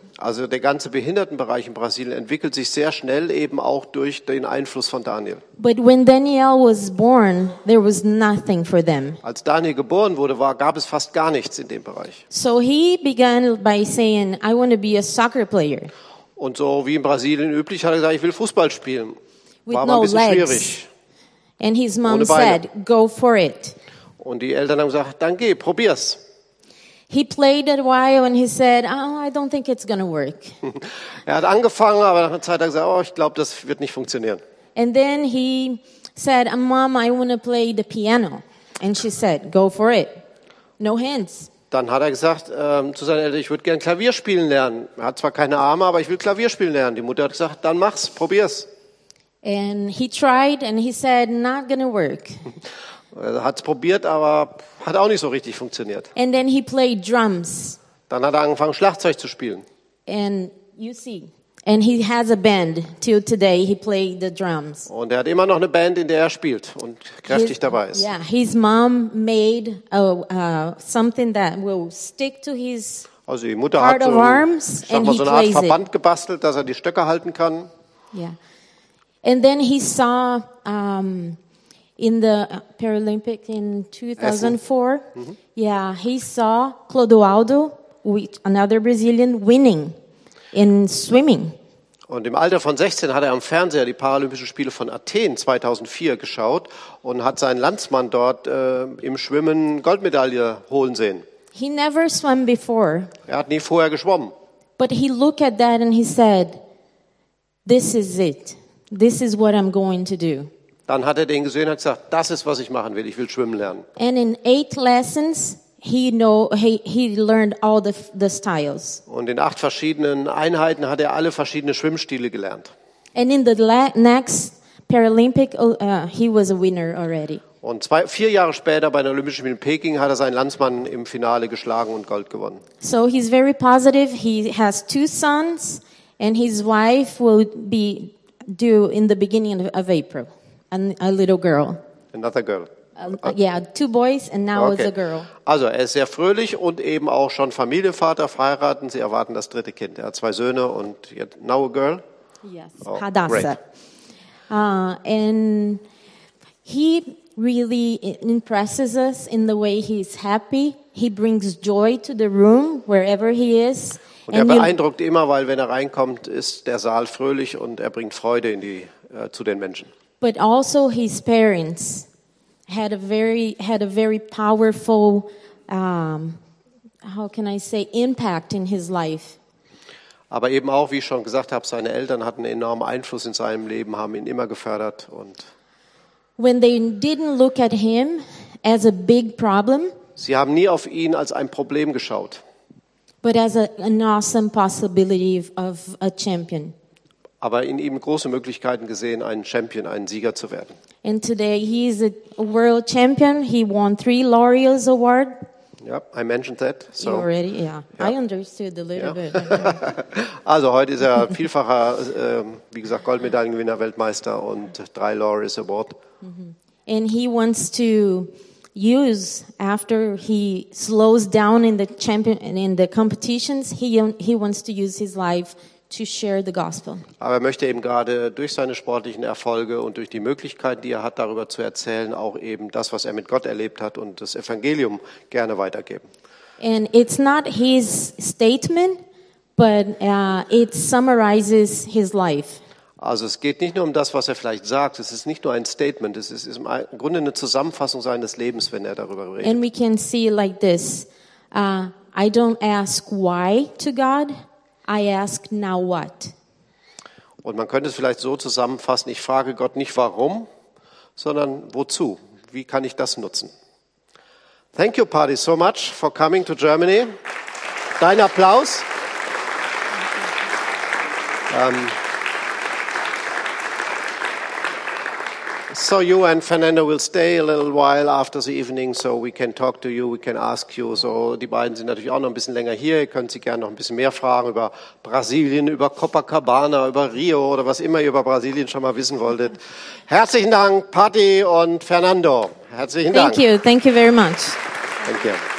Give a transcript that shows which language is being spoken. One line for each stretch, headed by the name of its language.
German: Also der ganze Behindertenbereich in Brasilien entwickelt sich sehr schnell eben auch durch den Einfluss von Daniel.
English: But when Daniel was born, there was nothing for them.
German: Als Daniel geboren wurde, gab es fast gar nichts in dem Bereich.
English: So he began by saying, I want to be a soccer player.
German: Und so wie in Brasilien üblich, hat er gesagt, ich will Fußball spielen. War aber ein bisschen schwierig.
English: And his mom said, go for it.
German: Und die Eltern haben gesagt, dann geh, probier's.
English: He played a while and he said, oh, I don't think it's going to work.
German: Er hat angefangen, aber nach einer Zeit hat er gesagt, oh, ich glaube, das wird nicht funktionieren.
English: And then he said, Mom, I want to play the piano. And she said, go for it. No hands.
German: Dann hat er gesagt zu seinen Eltern, ich würde gerne Klavier spielen lernen. Er hat zwar keine Arme, aber ich will Klavier spielen lernen. Die Mutter hat gesagt, dann mach's, probier's.
English: And he tried and he said, not going to work.
German: Er hat es probiert, aber hat auch nicht so richtig funktioniert.
English: And then he played drums.
German: Dann hat er angefangen, Schlagzeug zu spielen.
English: And you see, and he has a band till today. He played the drums.
German: Und er hat immer noch eine Band, in der er spielt und kräftig dabei ist.
English: Yeah, his mom made something that will stick to his
German: also die Mutter hat so, arms, sag mal, so eine Art Verband gebastelt, dass er die Stöcke halten kann. Yeah.
English: And then he saw in the Paralympic in 2004, mm-hmm. Yeah, he saw Clodoaldo, another Brazilian, winning in swimming.
German: Und im Alter von 16 hat er am Fernseher die Paralympischen Spiele von Athen 2004 geschaut und hat seinen Landsmann dort im Schwimmen Goldmedaille holen sehen.
English: He never swam before.
German: Er hat nie vorher geschwommen.
English: But he looked at that and he said, this is it. This is what I'm going to do.
German: Dann hat er den gesehen und gesagt, das ist, was ich machen will. Ich will schwimmen lernen.
English: And in 8 lessons, he learned all the styles.
German: Und in 8 verschiedenen Einheiten hat er alle verschiedene Schwimmstile gelernt.
English: And in the next Paralympic, he was a winner already. Und 4 Jahre später bei den Olympischen Spielen in Peking hat er seinen Landsmann im Finale geschlagen und Gold gewonnen. So he's very positive. He has 2 sons and his wife will be due in the beginning of April. And a little girl. Another girl. Yeah, 2 boys and now okay. It's a girl.
German: Also er ist sehr fröhlich und eben auch schon Familienvater, verheiratet. Sie erwarten das dritte Kind. Er hat 2 Söhne und jetzt
English: now a girl. Yes, oh, Hadassah. And he really impresses us in the way he's happy. He brings joy to the room wherever he is.
German: Und er beeindruckt immer, weil wenn er reinkommt, ist der Saal fröhlich und er bringt Freude in die zu den Menschen.
English: But also his parents had a very powerful impact in his life.
German: Aber eben auch, wie ich schon gesagt habe, seine Eltern hatten einen enormen Einfluss in seinem Leben, haben ihn immer gefördert und
English: when they didn't look at him as a big problem.
German: Sie haben nie auf ihn als ein Problem geschaut.
English: But as an awesome possibility of a champion.
German: Aber in ihm große Möglichkeiten gesehen, einen Champion, einen Sieger zu werden.
English: And today he is a world champion. He won 3 Laureus Award. Yep, I mentioned that. So. You already, yeah. Yep. I understood a little bit.
German: Also heute ist er vielfacher, wie gesagt, Goldmedaillengewinner, Weltmeister und 3 Laureus Award. Mm-hmm.
English: And he wants to use after he slows down in the champion and in the competitions. He wants to use his life. To share the gospel.
German: Aber er möchte eben gerade durch seine sportlichen Erfolge und durch die Möglichkeiten, die er hat, darüber zu erzählen, auch eben das, was er mit Gott erlebt hat und das Evangelium gerne weitergeben.
English: And it's not his statement, but it summarizes his life.
German: Also es geht nicht nur um das, was er vielleicht sagt, es ist nicht nur ein Statement, es ist im Grunde eine Zusammenfassung seines Lebens, wenn er darüber redet.
English: And we can see like this, I don't ask why to God, I ask now what.
German: Und man könnte es vielleicht so zusammenfassen, ich frage Gott nicht warum, sondern wozu? Wie kann ich das nutzen?
English: Thank you, Pardy, so much for coming to Germany.
German: Dein Applaus.
English: So you and Fernando will stay a little while after the evening, so we can talk to you, we can ask you.
German: So die beiden sind natürlich auch noch ein bisschen länger hier. Ihr könnt sie gerne noch ein bisschen mehr fragen über Brasilien, über Copacabana, über Rio oder was immer ihr über Brasilien schon mal wissen wolltet. Herzlichen Dank, Patti und Fernando. Herzlichen Dank.
English: Thank you very much. Thank you.